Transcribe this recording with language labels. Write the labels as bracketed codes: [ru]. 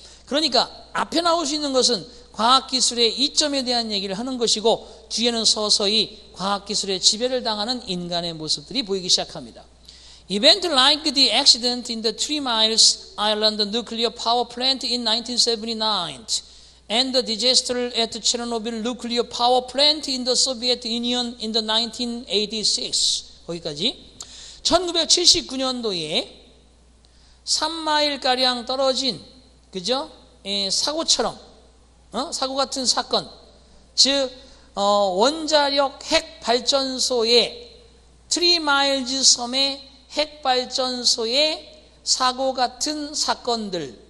[ko] 그러니까 앞에 나올 수 있는 것은 과학기술의 이점에 대한 얘기를 하는 것이고 뒤에는 서서히 과학기술의 지배를 당하는 인간의 모습들이 보이기 시작합니다. [en] Event like the accident in the Three Miles Island nuclear power plant in 1979 and the disaster at Chernobyl nuclear power plant in the Soviet Union in the 1986. [ko] 거기까지. 1979년도에 3마일가량 떨어진, 그죠? 사고처럼, 사고 같은 사건. 즉, 원자력 핵발전소의 3마일즈 섬의 핵발전소의 사고 같은 사건들.